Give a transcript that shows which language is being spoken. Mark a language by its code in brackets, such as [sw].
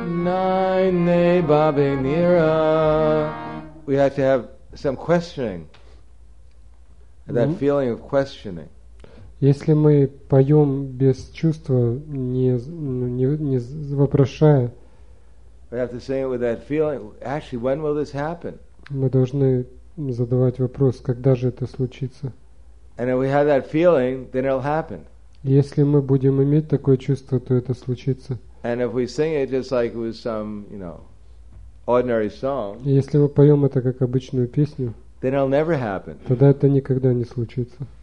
[en] Nine babe nira. We have to have some questioning. That feeling of questioning. [ru] Если мы поем без чувства, не вопрошая, [en] we have to sing it with that feeling. Actually, when will this happen? [ru] Мы должны задавать вопрос, когда же это случится? [en] And if we have that feeling, then it'll happen. [ru] Если мы будем иметь такое чувство, то это случится. [en] And if we sing it just like it was some, you know, ordinary song. [ru] Если мы поем это как обычную песню. [en] Then it'll never happen. [ru] Тогда это никогда не случится.